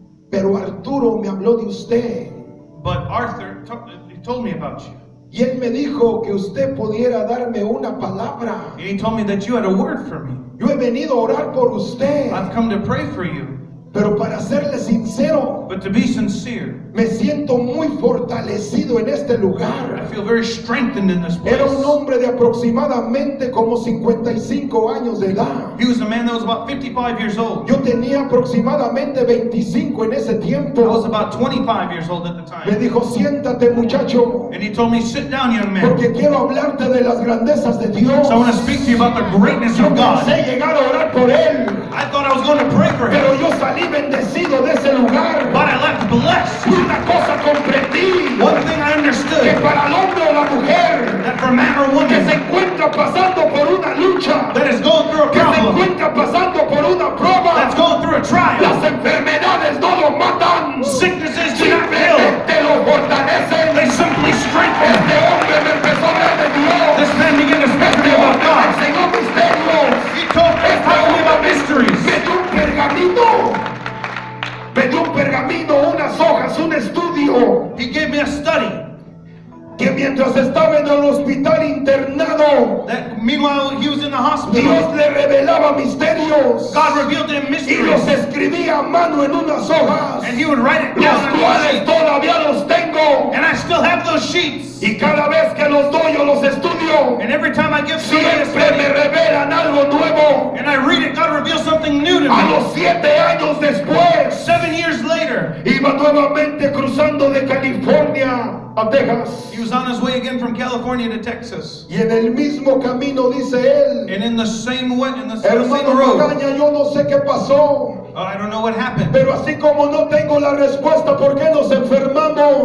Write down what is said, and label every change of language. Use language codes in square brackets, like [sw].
[es] Pero Arturo me habló de usted. [en] But Arthur told me about you. [es] Y él me dijo que usted pudiera darme una palabra. [en] And he told me that you had a word for me. [es] Yo he venido a orar por usted. [en] I've come to pray for you. [es] Pero para serle sincero, [en] but to be sincere, [es] me siento muy fortalecido en este lugar. [en] I feel very strengthened in this place. [es] Era un hombre de aproximadamente como 55 años de edad. [en] He was a man that was about 55 years old. [es] Yo tenía aproximadamente 25 en ese tiempo. [en] I was about 25 years old at the time. [es] Me dijo, siéntate, muchacho. [en] And he told me, sit down, young man. [es] Porque quiero hablarte de las grandezas de Dios. [en] So I want to speak to you about the greatness of God. [es] Yo pensé llegar a orar por él. [en] I thought I was going to pray for [es] pero [en] him. [es] Yo salí bendecido de ese lugar. [en] But I left blessed. [es] Una cosa comprendí. [en] One thing I understood. [es] Que para el hombre o la mujer, [en] that for man or woman, [es] que se encuentra pasando por una lucha, [en] that is going through a [es] que [en] problem, [es] se encuentra pasando por una prueba, [en] that's going through a trial, [es] las enfermedades no lo matan. [en] Sicknesses do not kill. [es] Te lo fortalecen. [en] They simply strengthen. [es] Este hombre me empezó a hablar de Dios. [en] This man began to speak to me about God. [es] Enseñó misterios. [en] He told me about mysteries. [es] Me dio un pergamino. Me dio un pergamino, unas hojas, un estudio. [en] He gave me a study. [es] Que mientras estaba en el hospital internado, [en] that meanwhile he was in the hospital, [es] Dios le revelaba misterios. [en] God revealed him mysteries. [es] Y los escribía a mano en unas hojas. [en] And he would write it down. [es] Los cuales todavía los tengo. [en] And I still have those sheets. [es] Y cada vez que los doy o los estudio, [en] and every time I give [es] siempre [en] a study, [es] me revelan algo nuevo. [en] And I read it, God reveals something new to me. [es] A los 7 años después, [en] 7 years later, [es] iba nuevamente cruzando de California. [en] He was on his way again from California to Texas. [es] Y en el mismo camino, dice él, [en] and in the same way, in the same road. [es] Magaña, yo no sé qué pasó. [en] But I don't know what happened. [es] Pero así como no tengo la respuesta, ¿por qué nos enfermamos?